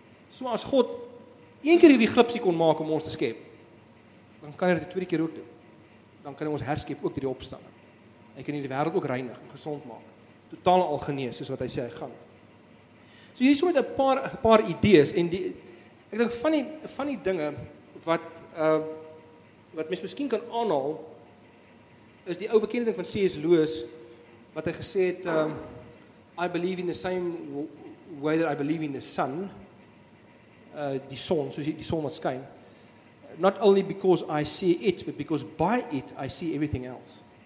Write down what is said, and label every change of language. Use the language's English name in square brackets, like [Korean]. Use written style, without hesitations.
[Afrikaans] So as God een keer hierdie glipsie kon maak om ons te skep, dan kan hy dit die tweede keer ook doen. Dan kan hy ons herskep ook die opstanding. Hy kan die wêreld ook reinig en gezond maak. Totaal al genees, soos wat hy sê, hy gaan. So hier is met een paar idees, en die, ek denk van die dinge, wat mens miskien kan aanhaal, is die ou bekendheid van C.S. [English] Lewis, [Afrikaans] wat hy gesê het, [English] I believe in the same way that I believe in the sun, [Afrikaans] die son, soos die son wat skyn, [English] not only because I see it, but because by it I see everything else.